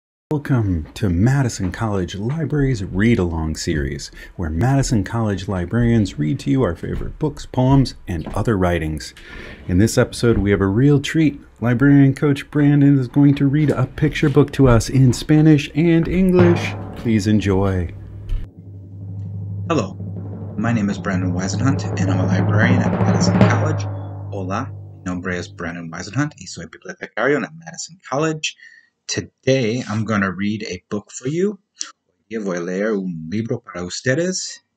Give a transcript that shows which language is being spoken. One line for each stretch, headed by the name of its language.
English: Welcome to Madison College Library's read-along series, where Madison College librarians read to you our favorite books, poems, and other writings. In this episode, we have a real treat. Librarian Coach Brandon is going to read a picture book to us in Spanish and English. Please enjoy. Hello, my name is Brandon Weisenhunt, and I'm a librarian at Madison College.
Spanish: Hola, mi nombre es Brandon Weisenhunt, y soy bibliotecario at Madison College.
English: Today, I'm going to read a book for you.
Spanish: Yo voy a leer un libro para ustedes.